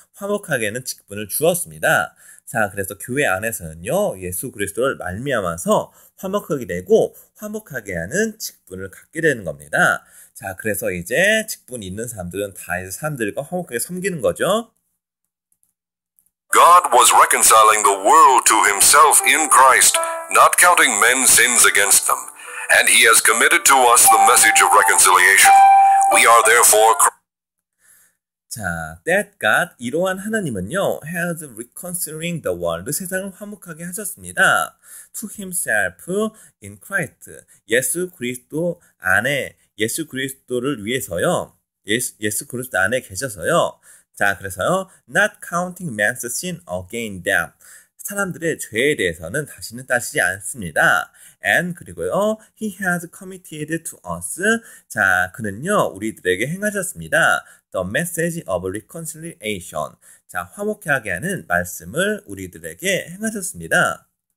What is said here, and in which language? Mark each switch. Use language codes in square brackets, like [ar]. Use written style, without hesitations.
[ko] 화목하게 하는 직분을 주었습니다. 자, 그래서 교회 안에서는요, 예수 그리스도를 말미암아서 화목하게 되고, 화목하게 하는 직분을 갖게 되는 겁니다. 자, 그래서 이제 직분 있는 사람들은 다 이제 사람들과 화목하게 섬기는 거죠. [en] God was reconciling the world to himself in Christ, not counting men's sins against them. And he has committed to us the message of reconciliation. We are therefore. 자, that God, [ko] 이러한 하나님은요, [en] has reconciling the world, [ko] 세상을 화목하게 하셨습니다. [en] To himself in Christ, [ko] 예수 그리스도 안에, 예수 그리스도를 위해서요, 예수 그리스도 안에 계셔서요. 자, 그래서요, [en] not counting man's sin against them. [ko] 사람들의 죄에 대해서는 다시는 따지지 않습니다. [en] And [ko] 그리고요, [en] he has committed to us. [ko] 자, 그는요, 우리들에게 행하셨습니다. [en] The message of reconciliation. [ko] 자, 화목케 하게 하는 말씀을 우리들에게 행하셨습니다.